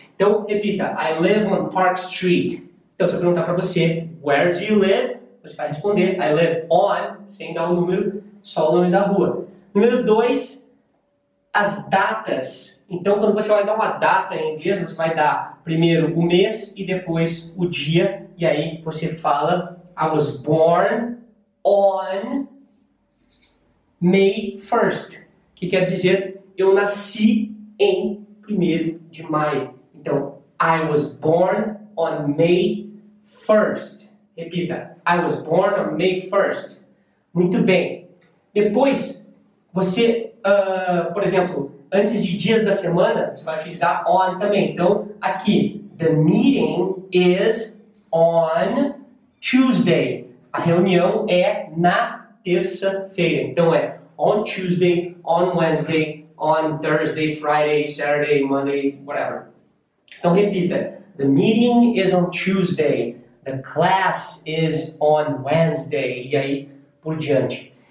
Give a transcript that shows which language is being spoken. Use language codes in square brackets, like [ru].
[pt] Então, repita, [en] I live on Park Street. [pt] Então, se eu perguntar para você, [en] where do you live? [pt] Você vai responder, [en] I live on, [pt] sem dar o número, só o nome da rua. Número 2, as datas. Então, quando você vai dar uma data em inglês, você vai dar primeiro o mês e depois o dia. E aí, você fala, [en] I was born on May 1st. [pt] Que quer dizer, eu nasci em 1º de maio. Então, [en] I was born on May 1st. [pt] Repita. [en] I was born on May 1st. [pt] Muito bem. Depois, você, por exemplo, antes de dias da semana, você vai utilizar on também. Então, aqui, [en] the meeting is on Tuesday. [pt] A reunião é na terça-feira. Então, é [en] on Tuesday, on Wednesday, on Thursday, Friday, Saturday, Monday, whatever. [pt] Então repita, [en] the meeting is on Tuesday, the class is on Wednesday, [pt] e aí por diante.